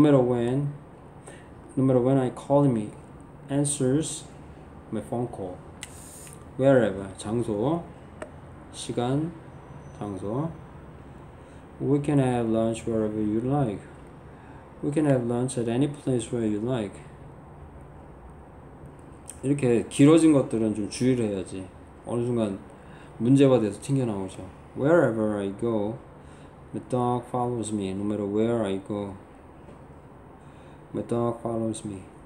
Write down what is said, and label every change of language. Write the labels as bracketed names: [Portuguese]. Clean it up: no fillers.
[English] No matter when I call him, answers my phone call. [Korean] Wherever 장소 시간 장소. [English] We can have lunch wherever you like. We can have lunch at any place where you like. [Korean] 이렇게 길어진 것들은 좀 주의를 해야지 어느 순간 문제가 돼서 튕겨 나오죠. [English] Wherever I go, my dog follows me. No matter where I go, my dog follows me.